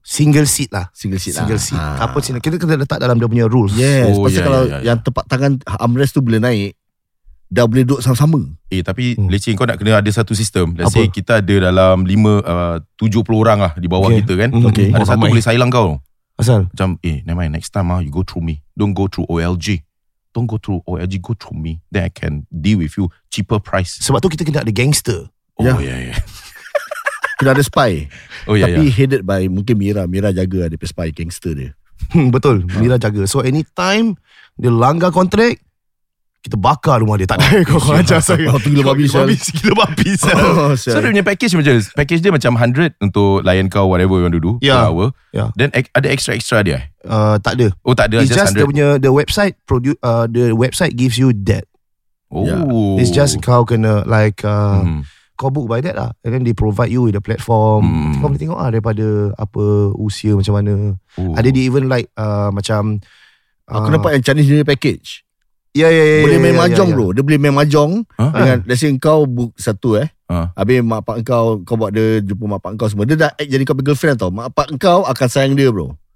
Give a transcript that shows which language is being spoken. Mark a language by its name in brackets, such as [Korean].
[English] Single seat. Couple seat. [Malay] Kita kena letak dalam dia punya rules. [English] Yes. [Malay] Pasal kalau yang tepat tangan armrest tu boleh naik, dah boleh duduk sama-sama. Tapi leceh kau nak kena ada satu sistem. [English] Let's say [Malay] kita ada dalam 70 orang lah di bawah kita kan. Ada satu boleh sailang kau. Asal? [English] Macam, never mind, next time you go through me. Don't go through OLG. Don't go through OLG, go through me. Then I can deal with you cheaper price. [Malay] Sebab tu kita kena ada gangster. Kena ada spy. Tapi [English] headed by [Malay] mungkin Mira. Mira jaga ada spy gangster dia. Betul, Mira jaga. [English] So anytime [Malay] dia langgar kontrak, kita bakar rumah dia. Tak ada kau ajar saya. Gila babi. So dia punya package macam ni. Package dia macam 100 untuk layan kau, [English] whatever you want to do. [Malay] Then ada extra-extra dia? Tak ada. Oh, tak ada. [English] It's just [Malay] dia punya, [English] the website the website gives you that. It's just [Malay] kau kena [English] like kau book by that lah. And then they provide you with the platform. [Malay] Kau boleh tengok lah daripada apa, usia macam mana. Ada dia even like macam aku nampak yang Chinese punya package. Boleh main mahjong. Dia boleh main mahjong dengan [English] let's say [Malay] kau book satu habis mak pak kau, kau buat dia jumpa mak pak kau semua. Dia dah act jadi kau girlfriend tau. Mak pak kau akan sayang dia bro.